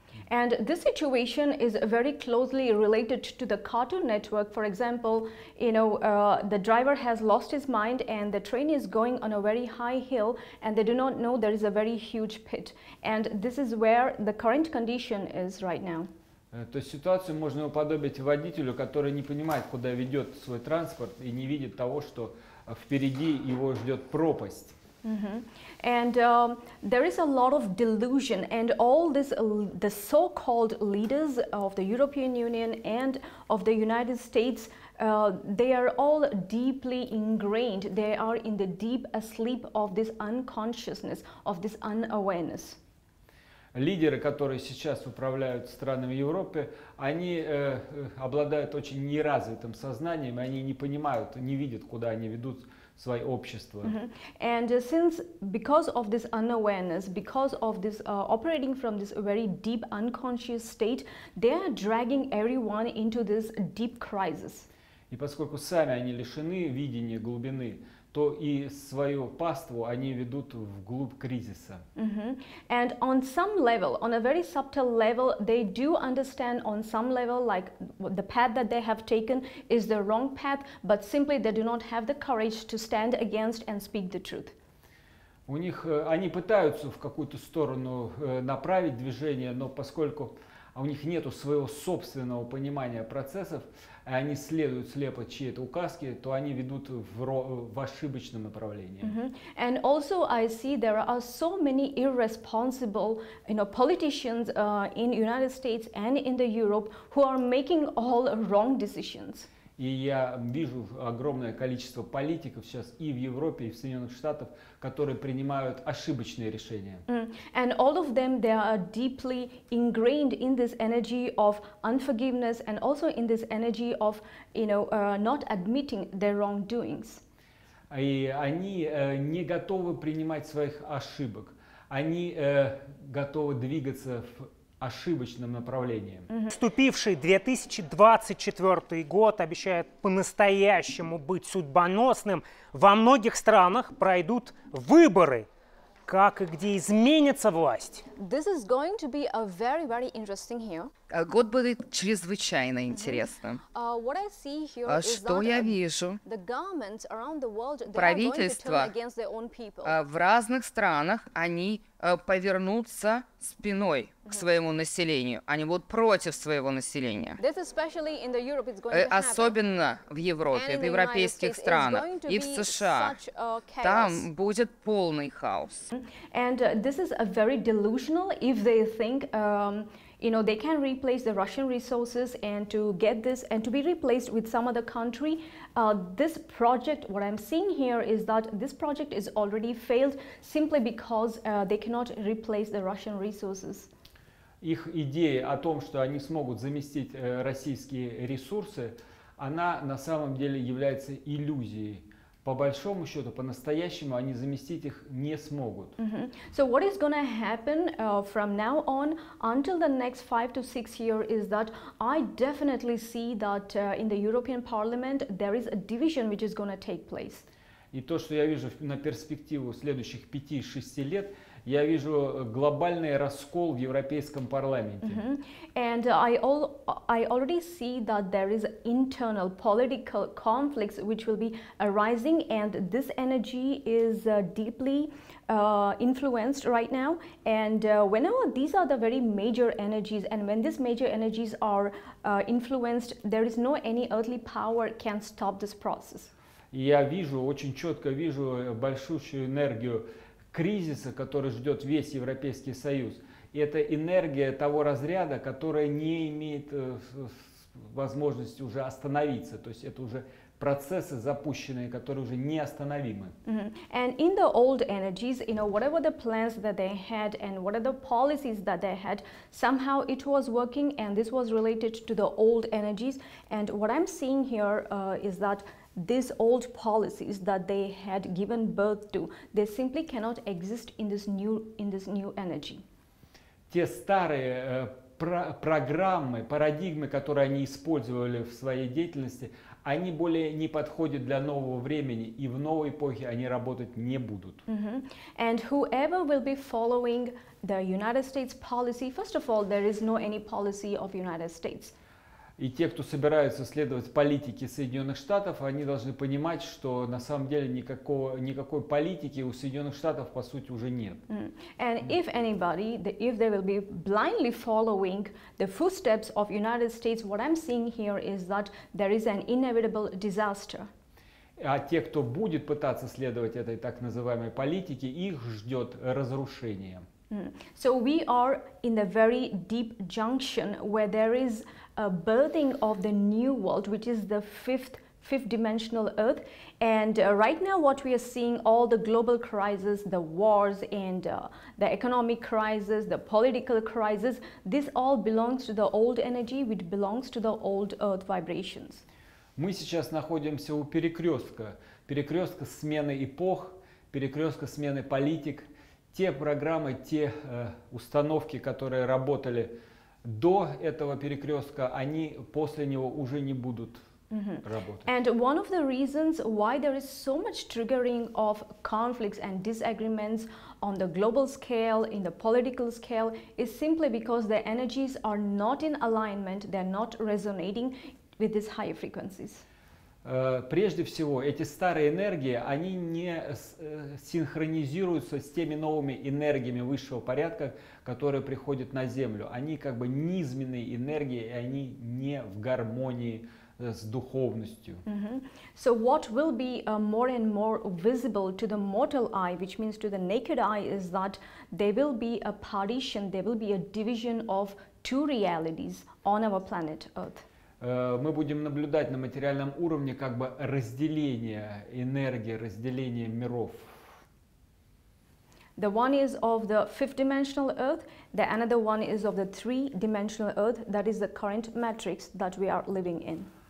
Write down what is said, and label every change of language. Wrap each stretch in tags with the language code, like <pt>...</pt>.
<en>And this situation is very closely related to the Cartoon Network. For example, you know, the driver has lost his mind and the train is going on a very high hill and they do not know there is a very huge pit. And this is where the current condition is right now.</en> <ru>То есть ситуацию можно уподобить водителю, который не понимает, куда ведет свой транспорт и не видит того, что впереди его ждет пропасть. Mm-hmm.</ru> <en>And there is a lot of delusion, and all this the so-called leaders of the European Union and of the United States, they are all deeply ingrained. They are in the deep asleep of this unconsciousness, of this unawareness.</en> <ru>Лидеры, которые сейчас управляют странами Европы, они обладают очень неразвитым сознанием, они не понимают, не видят, куда они ведут свое общество. Mm-hmm.</ru> <en>And since because of this unawareness, because of this operating from this very deep unconscious state, they are dragging everyone into this deep crisis.</en> <ru>И поскольку сами они лишены видения глубины, то и свою паству они ведут вглубь кризиса. Mm-hmm.</ru> <en>And on some level, on a very subtle level, they do understand on some level, like the path that they have taken is the wrong path, but simply they do not have the courage to stand against and speak the truth.</en> <ru>У них они пытаются в какую-то сторону направить движение, но поскольку у них нету своего собственного понимания процессов, и они следуют слепо чьей-то указке, то они ведут в ошибочном направлении. Mm-hmm.</ru> <en>And also I see there are so many irresponsible, you know, politicians in United States and in the Europe who are making all wrong decisions.</en> <ru>И я вижу огромное количество политиков сейчас и в Европе, и в Соединенных Штатах, которые принимают ошибочные решения. Mm.</ru> <en>And all of them, they are deeply ingrained in this energy of unforgiveness and also in this energy of, you know, not admitting their wrongdoings.</en> <ru>И они не готовы принимать своих ошибок. Они готовы двигаться в ошибочным направлением. Наступивший 2024 год обещает по-настоящему быть судьбоносным. Во многих странах пройдут выборы. Как и где изменится власть?</ru> <en>This is going to be a very, very interesting here.</en> <ru>Год будет чрезвычайно интересным.</ru> <en>What I see here is</en> <ru>что</ru> <en>that</en> <ru>я вижу?</ru> <en>The governments around the world, they</en> <ru>правительства</ru> <en>are going to turn against their own people.</en> <ru>В разных странах они повернутся спиной mm-hmm. к своему населению. Они будут против своего населения.</ru> <en>This especially in the Europe, it's going to happen.</en> <ru>Особенно в Европе, в европейских странах и в США.</ru> <en>Such, chaos.</en> <ru>Там будет полный хаос.</ru> <en>And this is a very delusional if they think you know, they can replace the Russian resources and to get this and to be replaced with some other country. This project, what I'm seeing here is that this project is already failed simply because they cannot replace the Russian resources.</en> <ru>Их идея о том, что они смогут заместить российские ресурсы, она на самом деле является иллюзией. По большому счету, по-настоящему они заместить их не смогут. Mm-hmm.</ru> <en>So what is going to happen from now on until the next 5 to 6 years is that I definitely see that in the European Parliament there is a division which is going to take place.</en> <ru>И то, что я вижу на перспективу следующих 5-6 лет, я вижу глобальный раскол в Европейском парламенте. Mm-hmm.</ru> <en>And I already see that there is internal political conflicts which will be arising, and this energy is deeply influenced right now. And whenever these are the very major energies, and when these major energies are influenced, there is no any earthly power can stop this process.</en> <ru>Я вижу, очень четко вижу большущую энергию кризиса, который ждет весь Европейский Союз. И это энергия того разряда, которая не имеет возможности уже остановиться. То есть это уже процессы запущенные, которые уже неостановимы. Mm-hmm.</ru> <en>And in the old energies, you know, whatever the plans that they had and whatever the policies that they had, somehow it was working, and this was related to the old energies. And what I'm seeing here is that these old policies that they had given birth to, they simply cannot exist in this new energy.</en> <ru>Те старые программы, парадигмы, которые они использовали в своей деятельности, они более не подходят для нового времени, и в новой эпохе они работать не будут.</ru> <en>And whoever will be following the United States policy, first of all, there is no any policy of United States.</en> <ru>И те, кто собираются следовать политике Соединенных Штатов, они должны понимать, что на самом деле никакой политики у Соединенных Штатов, по сути, уже нет.</ru> <en>And if anybody, if they will be blindly following the footsteps of United States, what I'm seeing here is that there is an inevitable disaster.</en> <ru>А те, кто будет пытаться следовать этой так называемой политике, их ждет разрушение.</ru> <en>So we are in the very deep junction where there is a birthing of the new world, which is the fifth dimensional earth. And right now what we are seeing, all the global crises, the wars and the economic crisis, the political crisis, this all belongs to the old energy, which belongs to the old earth vibrations.</en> <ru>Мы сейчас находимся у перекрестка. Перекрестка смены эпох, перекрестка смены политик. Те программы, те установки, которые работали до этого перекрестка, они после него уже не будут работать.</ru> <en>And one of the reasons why there is so much triggering of conflicts and disagreements on the global scale, in the political scale, is simply because the energies are not in alignment, they're not resonating with these higher frequencies.</en> <ru>Прежде всего, эти старые энергии, они не синхронизируются с теми новыми энергиями высшего порядка, которые приходят на Землю. Они как бы низменные энергии, и они не в гармонии с духовностью.</ru> <en>So what will be more and more visible to the mortal eye, which means to the naked eye, is that there will be a partition, there will be a division of two realities on our planet Earth.</en> <ru>Мы будем наблюдать на материальном уровне как бы разделение энергии, разделение миров.</ru> <en>The one is of the fifth dimensional earth, the another one is of the three dimensional earth, that is the current matrix that we are living in.</en>